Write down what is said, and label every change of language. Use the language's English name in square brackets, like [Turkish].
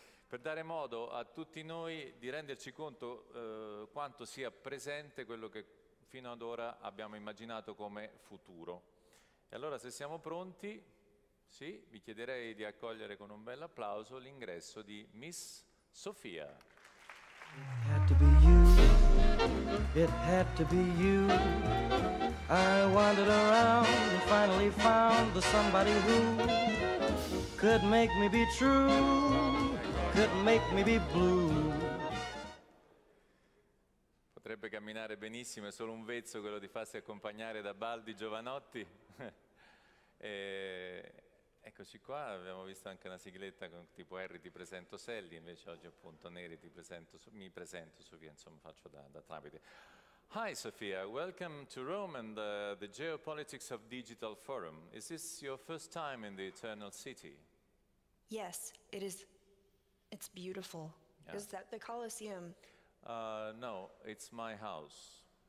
[Italian] Per dare modo a tutti noi di renderci conto quanto sia presente quello che fino ad ora abbiamo immaginato come futuro. E allora, se siamo pronti, sì, vi chiederei di accogliere con un bel applauso l'ingresso di Miss Sophia. [English] It had to be you, it had to be you. I wandered around and finally found the somebody who could make me be true, could make me be blue. [Italian] Potrebbe camminare benissimo, è solo un vezzo quello di farsi accompagnare da Baldi Giovanotti. E eccoci qua, abbiamo visto anche una sigletta con tipo Harry ti presento Sally, invece oggi appunto Neri ti presento, mi presento Sofia, insomma faccio da tramite. [English] Hi Sophia, welcome to Rome and the Geopolitics of Digital Forum. Is this your first time in the Eternal City? Yes, it is. It's beautiful. Yeah. Is that the Colosseum? No, it's my house.